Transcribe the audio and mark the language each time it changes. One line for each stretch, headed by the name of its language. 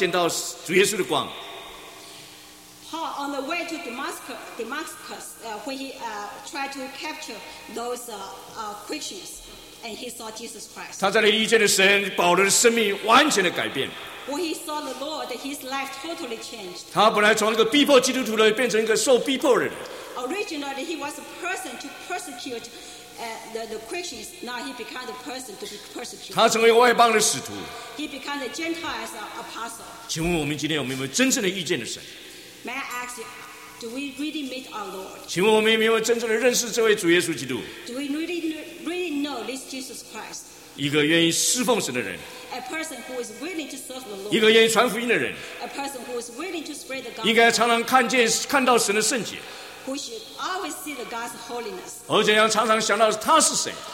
Chinese: 保罗在大马士的路上，他本来要去抓基督徒，逼迫基督徒，在大马士路上，他见到主耶稣的光。Paul
English: on the way to Damascus, when he tried to capture those Christians. And he saw Jesus Christ.
Chinese: 他在那里遇见的神，保罗的生命完全的改变。
English: When he saw the Lord, his life totally changed.
Chinese: 他本来从一个逼迫基督徒的变成一个受逼迫的人。
English: Originally, he was a person to persecute the Christians. Now he became the person to be persecuted.
Chinese: 他成为外邦的使徒。
English: He became the Gentiles apostle.
Chinese: 请问我们今天有没有真正的遇见的神？
English: May I ask you? Do we really meet our Lord?
Chinese: 请问我们有没有真正的认识这位主耶稣基督？
English: Do we really know this Jesus Christ?
Chinese: 一个愿意侍奉神的人。
English: A person who is willing to serve the Lord.
Chinese: 一个愿意传福音的人。
English: A person who is willing to spread the gospel.
Chinese: 应该常常看见、看到神的圣洁。
English: We should always see the God's holiness.
Chinese: 而且要常常想到他是谁。